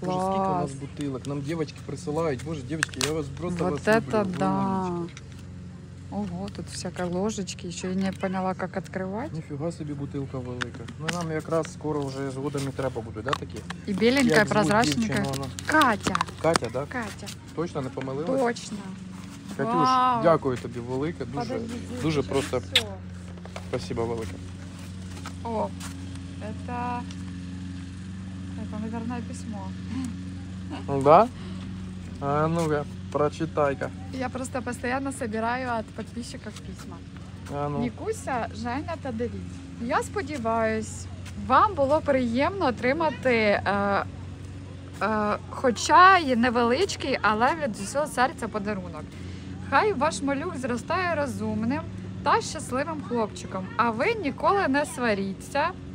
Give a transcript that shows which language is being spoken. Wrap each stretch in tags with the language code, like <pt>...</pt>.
<ru>Боже, сколько у нас бутылок, нам девочки присылают. Боже, девочки, я вас просто вот вас это люблю. Да. Ого, тут всякие ложечки, еще я не поняла, как открывать. Нифига себе, бутылка велика. Ну, нам как раз скоро уже с годами треба будет, да, такие? И беленькая, прозрачненькая. Катя. Катя, да? Катя.</ru> <uk>Точно не помилилась?</uk> <ru>Точно. Катюш, вау.</ru> <uk>Дякую тобі велике, дуже, подожди, дуже просто, спасибо велике.</uk> <ru>О, это, наверное, письмо. Да? А ну-ка, прочитай-ка. Я просто постоянно собираю от подписчиков письма. А ну.</ru> <uk>Нікуся, Женя та Давид. Я сподіваюсь, вам було приємно отримати хоча й невеличкий, але від усього серця подарунок. Хай ваш малюк зростає розумним та щасливим хлопчиком, а ви ніколи не сваріться.</uk>